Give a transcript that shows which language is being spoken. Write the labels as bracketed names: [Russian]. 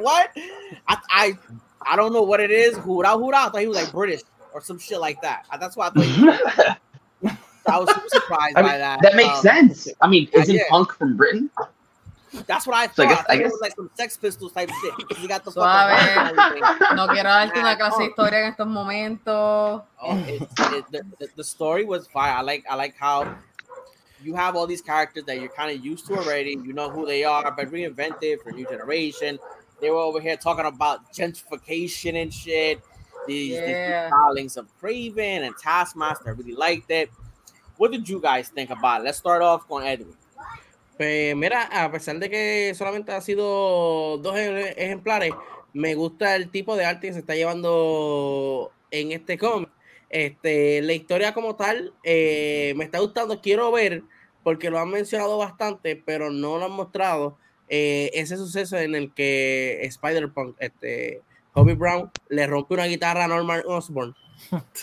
[English] What? I don't know what it is. Hura hura. I thought he was like British or some shit like that. That's why I thought he was. So I was super surprised by that. That makes sense. I mean, isn't Punk from Britain? That's what I thought. So I guess. It was like some Sex Pistols type shit. He got the [Spanish] suave. No quiero darte una clase de historia en estos momentos. [English] The story was fire. I like how you have all these characters that you're kind of used to already. You know who they are, but reinvented for new generation. They were over here talking about gentrification and shit. These stylings of Kraven and Taskmaster. I really liked it. What did you guys think about it? Let's start off [Spanish] con [English] Edwin. [Spanish] Pues mira, a pesar de que solamente ha sido dos ejemplares, me gusta el tipo de arte que se está llevando en este cómic. La historia como tal me está gustando. Quiero ver, porque lo han mencionado bastante, pero no lo han mostrado, ese suceso en el que Spider-Punk, Hobby Brown, le rompe una guitarra a Norman Osborn. Sí.